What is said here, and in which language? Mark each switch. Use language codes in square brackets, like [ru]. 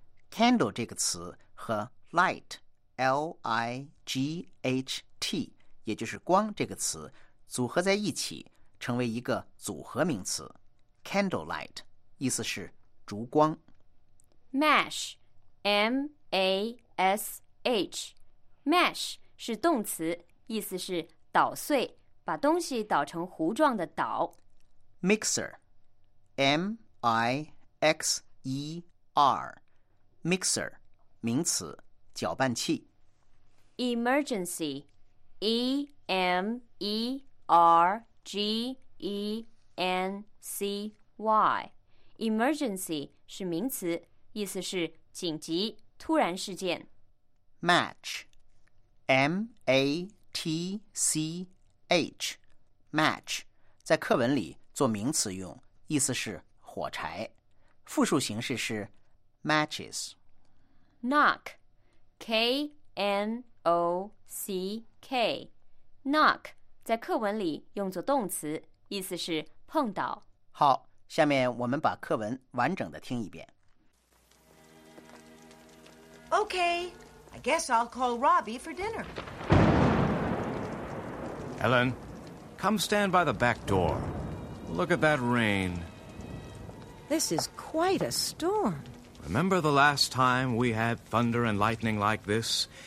[zh] Candle 这个词和 light， L-I-G-H-T， 也就是光这个词组合在一起，成为一个组合名词， Candlelight， 意思是烛光。 Mash， M-A-S-H， mash 是动词，意思是捣碎，把东西捣成糊状的捣。 Mixer， M I X E R， mixer 名词，搅拌器。 Emergency， E M E R G E N C Y， emergency 是名词，意思是紧急、突然事件。 Match， M-A-T-C-H， match 在课文里做名词用，意思是火柴，复数形式是 matches。 Knock， K-N-O-C-K， knock 在课文里用作动词，意思是碰倒。好，下面我们把课文完整的听一遍。 [en] OKI guess I'll call Robbie for dinner. Ellen, come stand by the back door. Look at that rain. This is quite a storm. Remember the last time we had thunder and lightning like this?